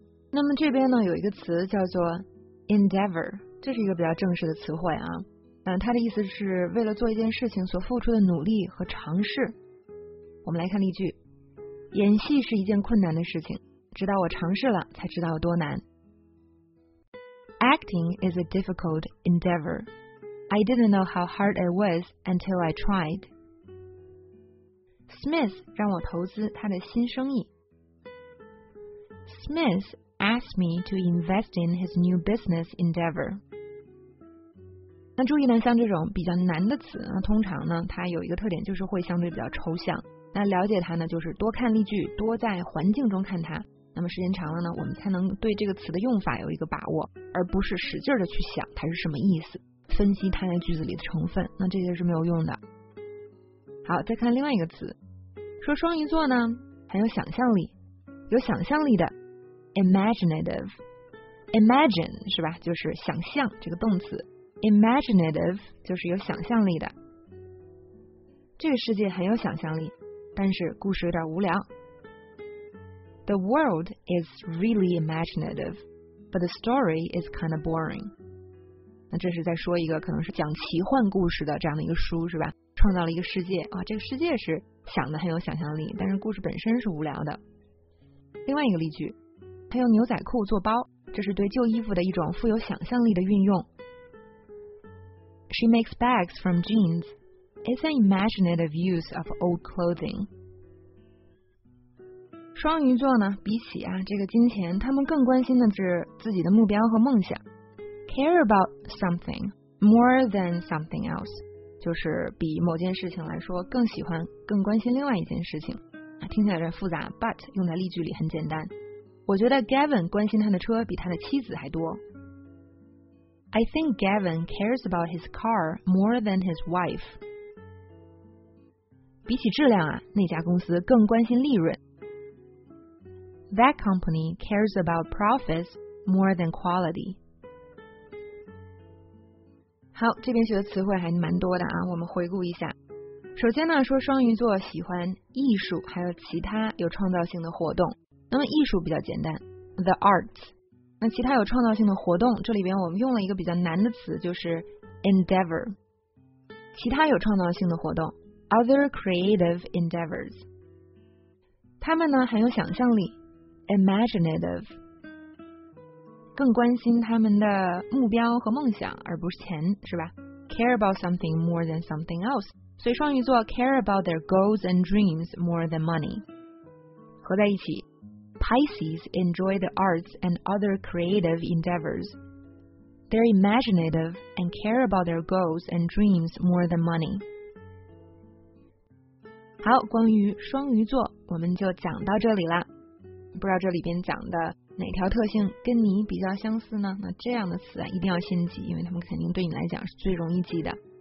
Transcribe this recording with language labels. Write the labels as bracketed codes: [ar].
[zh] 那么这边呢，有一个词叫做 endeavor， 这是一个比较正式的词汇啊。它的意思是为了做一件事情所付出的努力和尝试。我们来看例句。演戏是一件困难的事情，直到我尝试了才知道有多难。 [en] Acting is a difficult endeavor. I didn't know how hard it was until I tried. [zh] Smith 让我投资他的新生意。 [en] Smith asked me to invest in his new business endeavor. [zh] 那注意呢，像这种比较难的词，那通常呢，它有一个特点，就是会相对比较抽象。那了解它呢，就是多看例句，多在环境中看它。那么时间长了呢，我们才能对这个词的用法有一个把握，而不是使劲的去想它是什么意思，分析它在句子里的成分，那这些是没有用的。好，再看另外一个词，说双鱼座呢很有想象力，有想象力的 imaginative， imagine 是吧？就是想象这个动词。Imaginative 就是有想象力的，这个世界很有想象力，但是故事有点无聊。 [en] The world is really imaginative, but the story is kind of boring. [zh] 那这是在说一个可能是讲奇幻故事的这样的一个书是吧？创造了一个世界啊，这个世界是想的很有想象力，但是故事本身是无聊的。另外一个例句，他用牛仔裤做包，这是对旧衣服的一种富有想象力的运用。 She makes bags from jeans. It's an imaginative use of old clothing. 双鱼座呢，比起啊这个金钱，他们更关心的是自己的目标和梦想。 [en] Care about something more than something else， [zh] 就是比某件事情来说更喜欢、更关心另外一件事情。啊，听起来有点复杂 ，but 用在例句里很简单。我觉得 Gavin 关心他的车比他的妻子还多。 [en] I think Gavin cares about his car more than his wife. [zh] 比起质量啊，那家公司更关心利润。 [en] That company cares about profits more than quality. [zh] 好，这边学的词汇还蛮多的啊，我们回顾一下。首先呢，说双鱼座喜欢艺术，还有其他有创造性的活动。那么艺术比较简单 ，the arts。那其他有创造性的活动，这里边我们用了一个比较难的词，就是 endeavor。其他有创造性的活动， [en] other creative endeavors。 [zh] 他们呢很有想象力 ，imaginative。更关心他们的目标和梦想，而不是钱，是吧 ？ [en] Care about something more than something else。 [zh] 所以双鱼座 [en] care about their goals and dreams more than money。 [zh] 合在一起。 [en] Pisces enjoy the arts and other creative endeavors. They're imaginative and care about their goals and dreams more than money. [zh] 好，关于双鱼座，我们就讲到这里了。不知道这里边讲的哪条特性跟你比较相似呢？那这样的词啊，一定要先记，因为他们肯定对你来讲是最容易记的。